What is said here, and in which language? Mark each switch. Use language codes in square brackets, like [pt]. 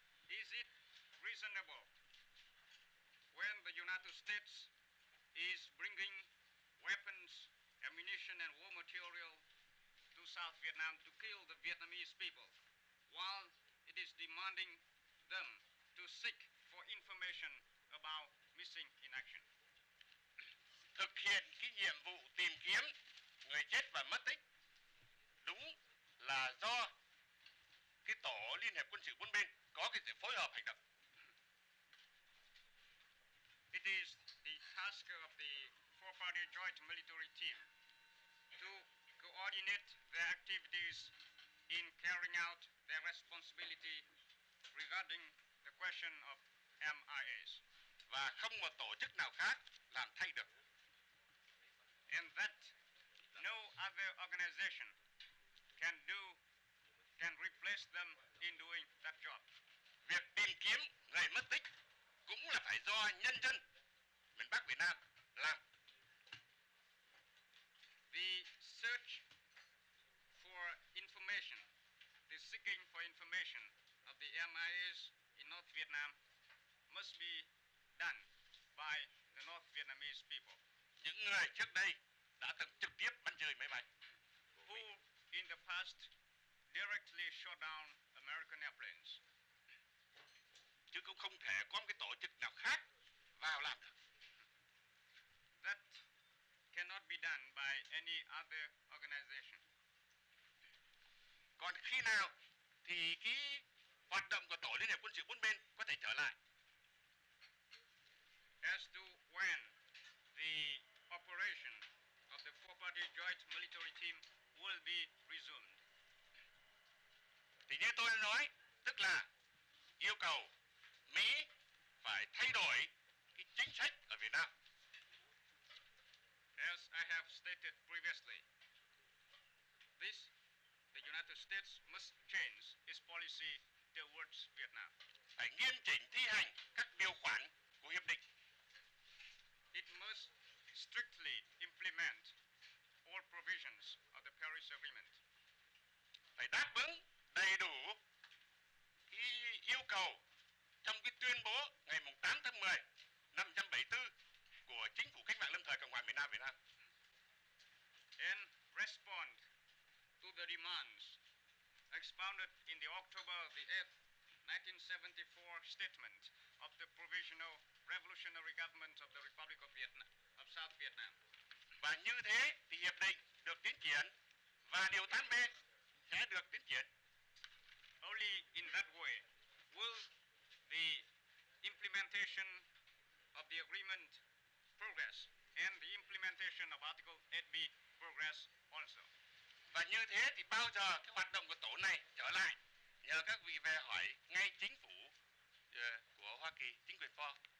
[en] Is it reasonable when the United States is bringing weapons, ammunition and war material to South Vietnam to kill the Vietnamese people, while it is demanding them to seek for information about missing in action? [vi] Thực hiện cái nhiệm vụ tìm kiếm người chết và mất tích đúng là do cái Tổ Liên Hiệp Quân sự bốn bên có cái sự phối hợp hành động. [en] It is the task of the four-party joint military team to coordinate their activities in carrying out their responsibility regarding the question of MIAs. [vi] và không một tổ chức nào khác làm thay được. [en] And that no other organization can do, can replace them in doing that job. [vi] Việc tìm kiếm người mất tích cũng là phải do nhân dân miền Bắc Việt Nam làm. [en] The search for information, the seeking for information of the MIAs in North Vietnam must be done by the North Vietnamese people. [vi] Những người trước đây đã từng trực tiếp bắn rơi máy bay. [en] Who in the past directly shot down American airplanes. [vi] Chứ cũng không thể có một cái tổ chức nào khác vào làm được. [en] That cannot be done by any other organization. [vi] Còn khi nào thì cái hoạt động của tổ liên hiệp quân sự bốn bên có thể trở lại? [en] As to when the operation of the four-party joint military team will be resumed. [vi] Thì như tôi đã nói, tức là yêu cầu Mỹ phải thay đổi cái chính sách ở Việt Nam. [en] As I have stated previously, this, the United States must change its policy towards Vietnam. [vi] Phải nghiêm chỉnh thi hành các điều khoản của hiệp định. [en] It must strictly implement all provisions of the Paris Agreement. [vi] Phải đáp ứng đầy đủ yêu cầu trong cái tuyên bố ngày 8/10/1974 của Chính phủ Cách mạng Lâm thời Cộng hòa miền Nam Việt Nam. [en] And respond to the demands expounded in the October 8, 1974 statement of the Provisional Revolutionary Government of the Republic of Vietnam, of South Vietnam. [vi] Và như thế thì hiệp định được tiến triển và điều 8B sẽ được tiến triển. [en] Only in that way will the implementation of the agreement progress and the implementation of Article 8B progress also. [vi] Và như thế thì bao giờ cái hoạt động của tổ này trở lại? Nhờ các vị về hỏi ngay chính phủ của Hoa Kỳ, chính quyền Ford.